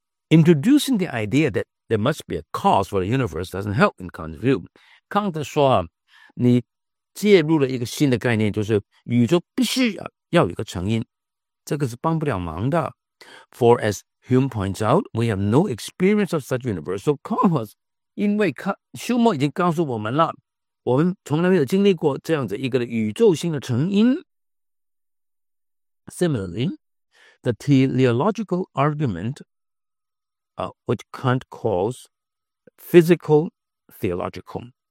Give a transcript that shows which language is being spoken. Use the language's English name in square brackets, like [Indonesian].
[English] Introducing the idea that there must be a cause for the universe doesn't help in Kant's view. [Chinese] Kant 说,你介入了一个新的概念,就是宇宙必须要有一个成因,这个是帮不了忙的. [English] For as Hume points out, we have no experience of such universal cause. [Chinese] 因为修谟已经告诉我们了,我们从来没有经历过这样子一个宇宙性的成因. [English] Similarly, the teleological argument, which Kant calls physical theological,